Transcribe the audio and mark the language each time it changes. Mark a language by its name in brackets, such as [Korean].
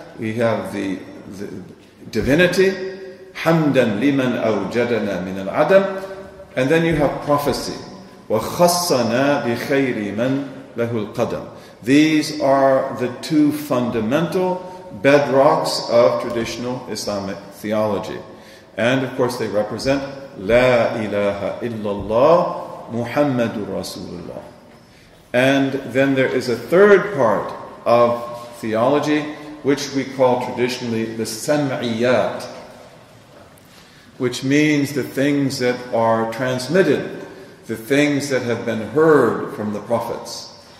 [English] We have the divinity, [Arabic] hamdan liman awjadana min al-adam. [English] And then you have prophecy. [Arabic] وَخَصَّنَا بِخَيْرِ مَنْ لَهُ الْقَدَمِ. [English] These are the two fundamental bedrocks of traditional Islamic theology. And of course they represent [Arabic] لَا إِلَهَ إِلَّا اللَّهِ مُحَمَّدُ رَسُولُ اللَّهِ. [English] And then there is a third part of theology which we call traditionally the سَمْعِيَات, which means the things that are transmitted, the things that have been heard from the prophets.